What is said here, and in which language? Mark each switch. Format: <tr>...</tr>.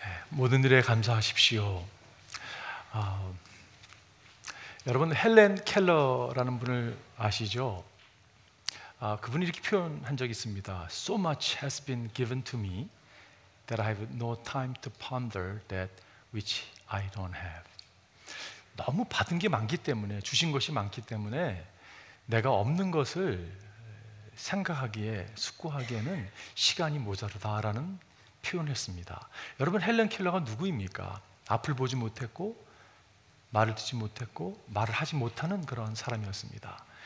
<ko>모든 일에 감사하십시오. 여러분, 헬렌 켈러라는 분을 아시죠? 그분이 이렇게 표현한 적이 있습니다.</ko> <en>So much has been given to me that I have no time to ponder that which I don't have.</en> <ko>너무 받은 게 많기 때문에, 주신 것이 많기 때문에 내가 없는 것을 생각하기에, 숙고하기에는 시간이 모자르다라는 표현을 했습니다. 여러분, 헬렌 켈러가 누구입니까? 앞을 보지 못했고 말을 듣지 못했고 말을 하지 못하는 그런 사람이었습니다.</ko>